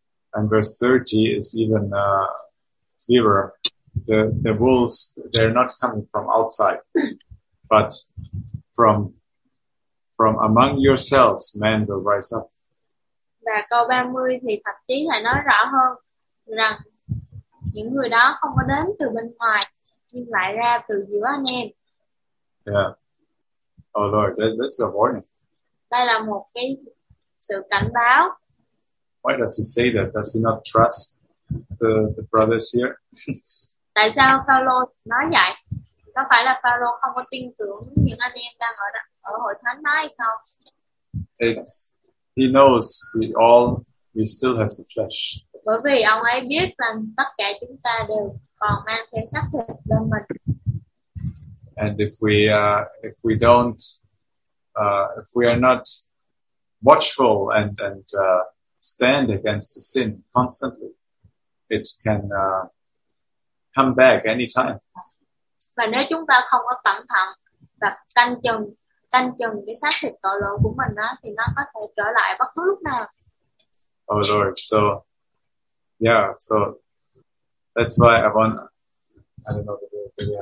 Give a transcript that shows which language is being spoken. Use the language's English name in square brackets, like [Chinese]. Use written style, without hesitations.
[English] And verse 30 is even clearer. The wolves, they're not coming from outside, but from among yourselves, men will rise up. [Vietnamese] Và câu 30 thì thậm chí là nói rõ hơn rằng những người đó không có đến từ bên ngoài, nhưng lại ra từ giữa anh em. [English] Yeah. Oh Lord, that's a warning. [Vietnamese] Đây là một cái sự cảnh báo. [English] Why does he say that? Does he not trust the brothers here? [Vietnamese] Tại sao Phaolô nói vậy? Có phải là Phaolô không có tin tưởng những anh em đang ở hội thánh đó hay không? [English] He knows we still have the flesh. [Vietnamese] Bởi vì ông ấy biết rằng tất cả chúng ta đều còn mang theo xác thịt bên mình. [English] And if we are not watchful and stand against the sin constantly, it can come back anytime. [Vietnamese] Và nếu chúng ta không có cẩn thận và canh chừng cái xác thịt tội lỗi của mình đó, thì nó có thể trở lại bất cứ lúc nào. [English] Oh Lord, so yeah, so that's why I don't know the video.